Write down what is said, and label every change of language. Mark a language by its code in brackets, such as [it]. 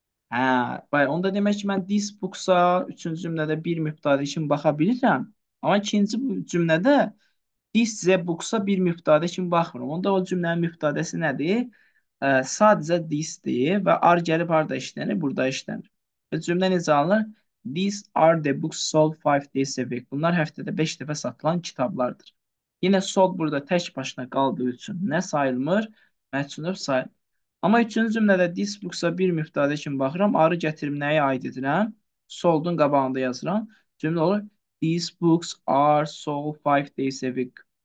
[az] Hə, bay, onda demək ki, mən this book-sa üçüncü cümlədə bir mübtədi kimi baxa bilirəm. Ama ikinci cümlədə this book-sa bir mübtədi kimi baxmıram. Onda o cümlənin mübtədəsi nədir? Sadəcə this deyir və are gəlib harda işlənir? Burada işlənir. Və cümlə necə alınır? [en] These are the books sold 5 days a week. [az] Bunlar həftədə 5 dəfə satılan kitablardır. Yine sold burada tək başına qaldığı üçün nə sayılmır? Məcnun sayılır. Amma üçüncü cümlədə this books-a bir mübtədə kimi baxıram. Arı gətirib nəyə aid edirəm? Sold-un qabağında yazıram. Cümlə olur. [en] These books are sold 5 days a week.